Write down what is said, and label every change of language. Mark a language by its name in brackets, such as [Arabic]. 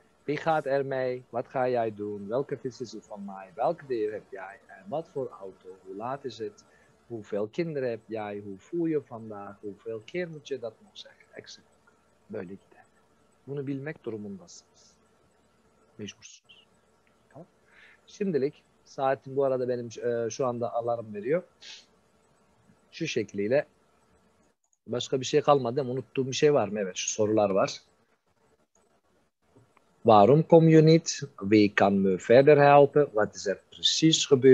[Dutch] Wie gaat er mee, wat ga jij doen, welke fiets is er van mij, welk dier heb jij, en wat voor auto, hoe laat is het, hoeveel kinderen heb jij, hoe voel je vandaag, hoeveel keer moet je dat nog zeggen, exact. [Turkish] Böyle gider. Bunu bilmek durumundasınız. Mecbursunuz. Şimdilik saatim bu arada benim şu anda alarm veriyor. Şu şekliyle başka bir şey kalmadı değil mi? Unuttuğum bir şey var mı? Evet şu sorular var. [Dutch] Warum kom je niet? Wie kan me verder helpen? Wat is er precies gebeurd?